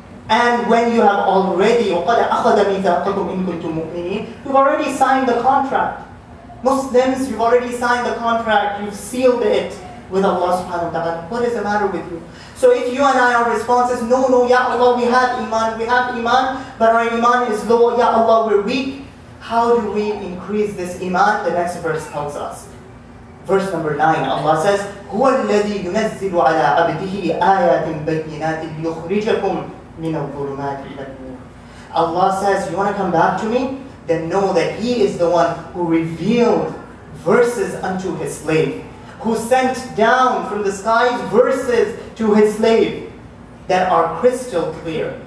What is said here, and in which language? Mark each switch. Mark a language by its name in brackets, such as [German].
[English] And when you have already, [Arabic] وَقَدْ أَخَذَ مِيثَاقَكُمْ إِن كُنْتُمْ مُؤْمِنِينَ, [English] you've already signed the contract. Muslims, you've already signed the contract, you've sealed it with Allah subhanahu wa ta'ala. What is the matter with you? So if you and I, our response is, no, Ya Allah, we have iman, but our iman is low, Ya Allah, we're weak. How do we increase this iman? The next verse tells us. Verse number 9, Allah says, [Arabic] هُوَ الَّذِي يُنَزِّلُ عَلَىٰ عَبْدِهِ آيَاتٍ بَيِّنَاتٍ لِيُخْرِجَكُمْ مِنَ الظُّلُمَاتِ إِلَى النُّورِ. [English] Allah says, you want to come back to me? Then know that He is the one who revealed verses unto His slave, who sent down from the skies verses to His slave that are crystal clear.